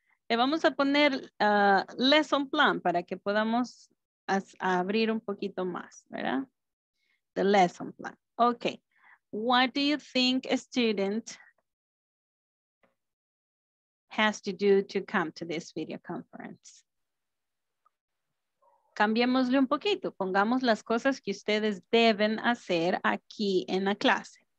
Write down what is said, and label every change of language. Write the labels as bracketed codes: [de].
[es] Le vamos a poner lesson plan para que podamos abrir un poquito más, ¿verdad? [en] The lesson plan. Okay, what do you think a student has to do to come to this video conference? [es] Cambiémosle un poquito. Pongamos las cosas que ustedes deben hacer aquí en la clase.